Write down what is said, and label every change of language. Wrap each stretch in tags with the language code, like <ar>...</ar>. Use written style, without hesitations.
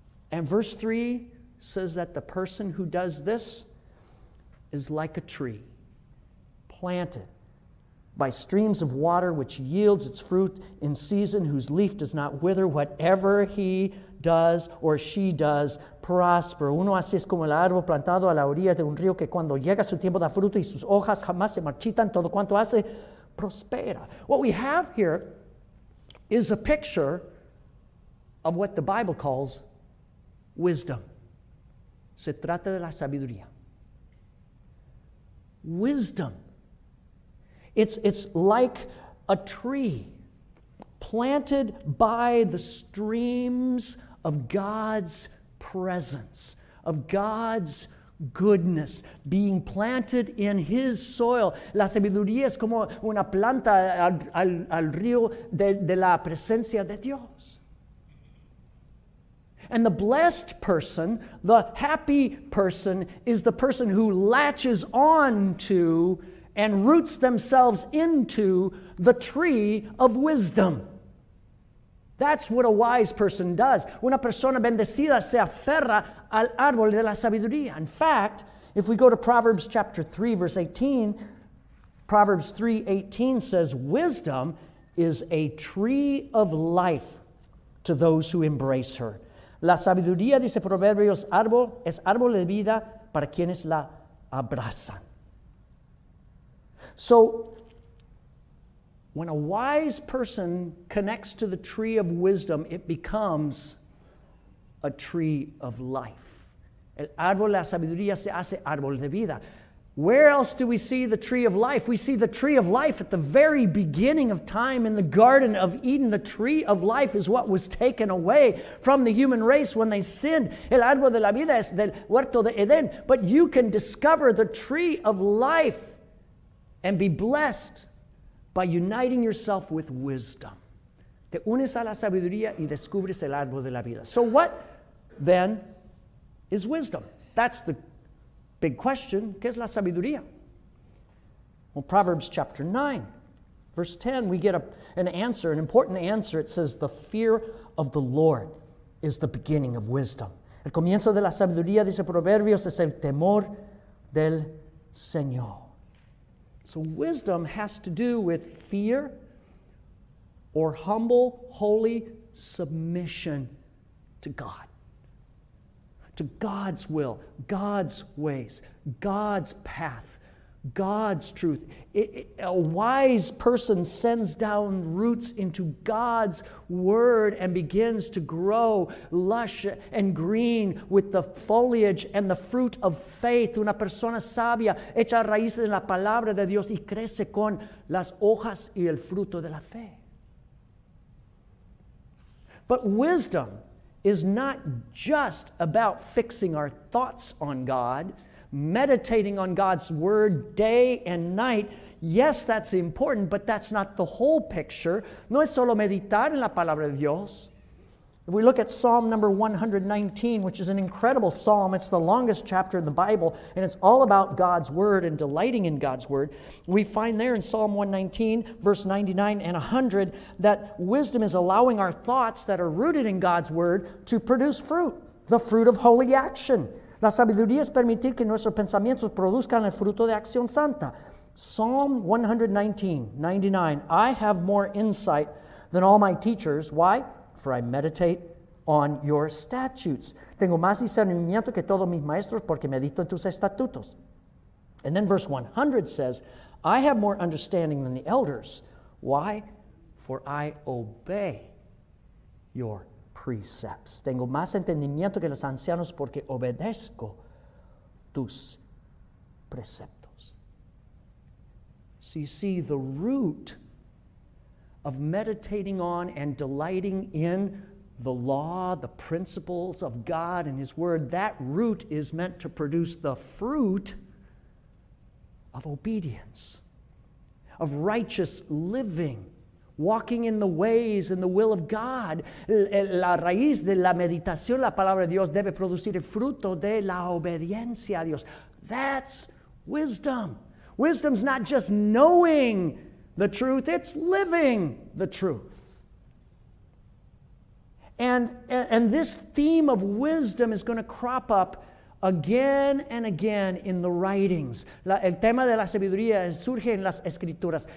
<en>And verse 3 says that the person who does this is like a tree planted by streams of water which yields its fruit in season, whose leaf does not wither. Whatever he does or she does prosper.</en> <es>Uno así es como el árbol plantado a la orilla de un río que cuando llega su tiempo da fruto y sus hojas jamás se marchitan. Todo cuanto hace prospera.</es> <en>What we have here is a picture of what the Bible calls wisdom.</en> <es>Se trata de la sabiduría.</es> <en>Wisdom. It's like a tree planted by the streams of God's presence, of God's goodness, being planted in his soil.</en> <es>La sabiduría es como una planta al río de la presencia de Dios.</es> <en>And the blessed person, the happy person, is the person who latches on to and roots themselves into the tree of wisdom. That's what a wise person does.</en> <es>Una persona bendecida se aferra al árbol de la sabiduría.</es> <en>In fact, if we go to Proverbs chapter 3, verse 18, Proverbs 3, 18 says, wisdom is a tree of life to those who embrace her.</en> <es>La sabiduría, dice Proverbios, es árbol de vida para quienes la abrazan.</es> <en>So, when a wise person connects to the tree of wisdom, it becomes a tree of life.</en> <es>El árbol de la sabiduría se hace árbol de vida.</es> <en>Where else do we see the tree of life? We see the tree of life at the very beginning of time in the Garden of Eden. The tree of life is what was taken away from the human race when they sinned.</en> <es>El árbol de la vida es del huerto de Edén.</es> <en>But you can discover the tree of life and be blessed by uniting yourself with wisdom.</en> <es>Te unes a la sabiduría y descubres el árbol de la vida.</es> <en>So what then is wisdom? That's the big question.</en> <es>¿Qué es la sabiduría?</es> <en>Well, Proverbs chapter 9, verse 10, we get an answer, an important answer. It says, the fear of the Lord is the beginning of wisdom.</en> <es>El comienzo de la sabiduría, dice Proverbios, es el temor del Señor.</es> <en>So wisdom has to do with fear or humble, holy submission to God. To God's will, God's ways, God's path, God's truth. A wise person sends down roots into God's word and begins to grow lush and green with the foliage and the fruit of faith.</en> <es>Una persona sabia echa raíces en la palabra de Dios y crece con las hojas y el fruto de la fe.</es> <en>But wisdom is not just about fixing our thoughts on God, meditating on God's word day and night. Yes, that's important, but that's not the whole picture.</en> <es>No es solo meditar en la palabra de Dios.</es> <en>If we look at Psalm number 119, which is an incredible psalm, it's the longest chapter in the Bible, and it's all about God's word and delighting in God's word. We find there in Psalm 119, verse 99 and 100, that wisdom is allowing our thoughts that are rooted in God's word to produce fruit, the fruit of holy action.</en> <es>La sabiduría es permitir que nuestros pensamientos produzcan el fruto de acción santa.</es> <en>Psalm 119:99. I have more insight than all my teachers. Why? For I meditate on your statutes.</en> <es>Tengo más discernimiento que todos mis maestros porque medito en tus estatutos.</es> <en>And then verse 100 says, I have more understanding than the elders. Why? For I obey your precepts.</en> <es>Tengo más entendimiento que los ancianos porque obedezco tus preceptos.</es> <en>So you see, the root of meditating on and delighting in the law, the principles of God and His Word, that root is meant to produce the fruit of obedience, of righteous living, walking in the ways and the will of God.</en> <es>La raíz de la meditación, la palabra de Dios, debe producir el fruto de la obediencia a Dios.</es> <en>That's wisdom. Wisdom's not just knowing the truth, it's living the truth. And this theme of wisdom is going to crop up again and again in the writings.</en> <es>El tema de la sabiduría surge en las escrituras.</es>